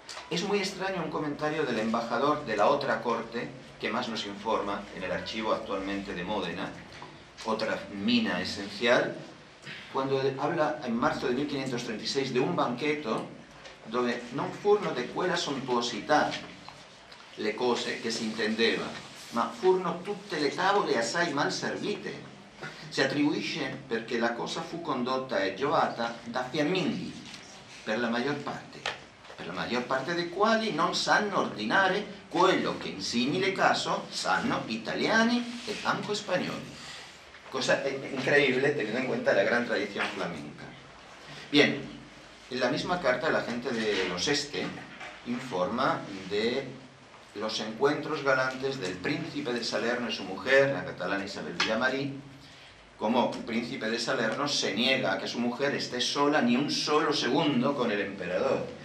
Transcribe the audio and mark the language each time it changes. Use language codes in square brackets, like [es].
[es] Es muy extraño un comentario del embajador de la otra corte que más nos informa en el archivo actualmente de Módena, otra mina esencial, cuando habla en marzo de 1536 de un banquete donde [it] non furno de quella sontuosità le cose che si intendeva, ma furno tutte le tavole assai mal servite. Si attribuisce perché la cosa fu condotta e giovata da fiamminghi, per la maggior parte dei quali non sanno ordinare quello che in simile caso sanno italiani e anche spagnoli. [es] Cosa increíble teniendo en cuenta la gran tradición flamenca. Bien, en la misma carta la gente de los Este informa de los encuentros galantes del príncipe de Salerno y su mujer, la catalana Isabel Villamarí, como el príncipe de Salerno se niega a que su mujer esté sola ni un solo segundo con el emperador.